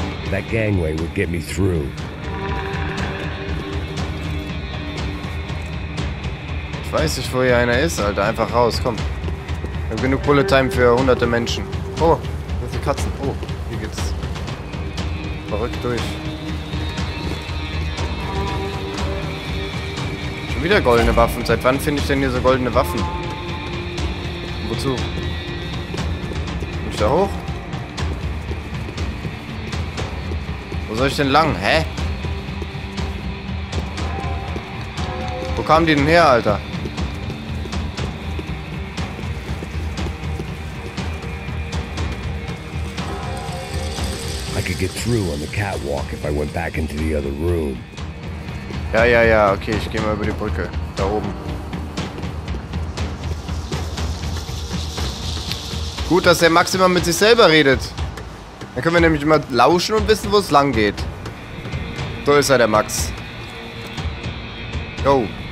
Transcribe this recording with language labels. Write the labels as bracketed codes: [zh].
[en] That gangway would get me through. [de] Ich weiß nicht, wo hier einer ist, Alter. Einfach raus, komm. Wir haben genug Bullet Time für hunderte Menschen. Oh, das sind Katzen. Oh, hier geht's. Verrückt durch. Schon wieder goldene Waffen. Seit wann finde ich denn hier so goldene Waffen? Und wozu? Komm ich da hoch? Wo soll ich denn lang? Hä? Wo kamen die denn her, Alter? [en] I could get through on the catwalk if I went back into the other room. [de] Ja, okay, ich gehe mal über die Brücke. Da oben. Gut, dass der Max immer mit sich selber redet. Dann können wir nämlich immer lauschen und wissen, wo es lang geht. So ist er, der Max. Yo.